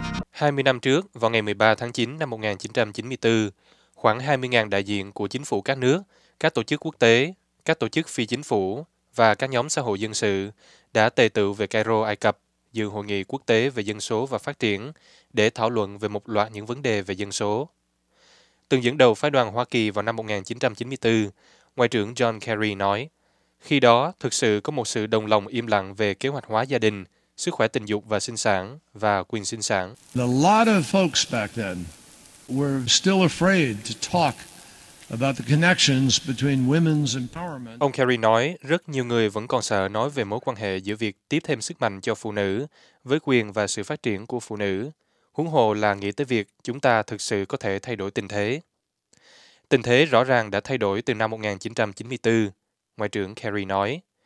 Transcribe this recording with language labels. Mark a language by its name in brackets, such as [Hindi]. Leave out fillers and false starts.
[Vietnamese] Hai mươi năm trước, vào ngày 13 tháng 9 năm 1994, khoảng 20.000 đại diện của chính phủ các nước, các tổ chức quốc tế, các tổ chức phi chính phủ và các nhóm xã hội dân sự đã tề tựu về Cairo, Ai Cập dự hội nghị quốc tế về dân số và phát triển để thảo luận về một loạt những vấn đề về dân số. Từng dẫn đầu phái đoàn Hoa Kỳ vào năm 1994, Ngoại trưởng John Kerry nói, khi đó thực sự có một sự đồng lòng im lặng về kế hoạch hóa gia đình, sức khỏe tình dục và sinh sản, và quyền sinh sản. [English] A lot of folks back then were still afraid to talk about the connections between women's empowerment. [Vietnamese] Ông Kerry nói, rất nhiều người vẫn còn sợ nói về mối quan hệ giữa việc tiếp thêm sức mạnh cho phụ nữ với quyền và sự phát triển của phụ nữ. Huống hồ là nghĩ tới việc chúng ta thực sự có thể thay đổi tình thế. Tình thế rõ ràng đã thay đổi từ năm 1994, Ngoại trưởng Kerry nói.